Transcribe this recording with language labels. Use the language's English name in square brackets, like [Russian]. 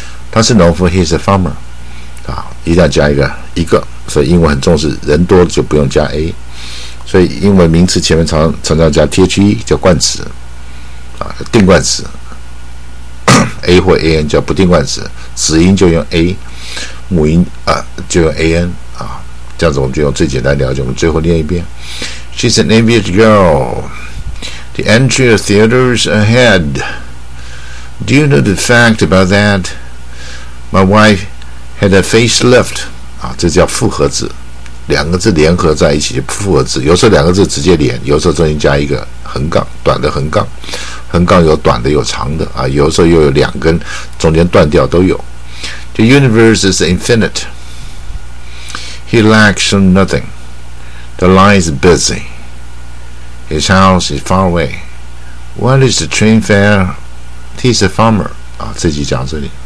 [Chinese] 他是农夫 ， [English] he's a farmer [Chinese] 啊，一定要加一个，所以英文很重视人多就不用加 a， 所以英文名词前面常常加 the， 叫冠词啊，定冠词a 或 an 叫不定冠词，子音就用 a， 母音啊就用 an 啊，这样子我们就用最简单的了解。我们最后念一遍 ， [English] she's an average girl。 The entry of theaters ahead. Do you know the fact about that? My wife had a facelift. [Chinese] 啊，这叫复合字，两个字联合在一起就复合字。有时候两个字直接连，有时候中间加一个横杠，短的横杠，横杠有短的有长的啊。有时候又有两根，中间断掉都有。 [English] The universe is infinite. He lacks nothing. The line is busy. His house is far away. What is the train fare? He's a farmer. [Chinese] 啊，这集讲这里。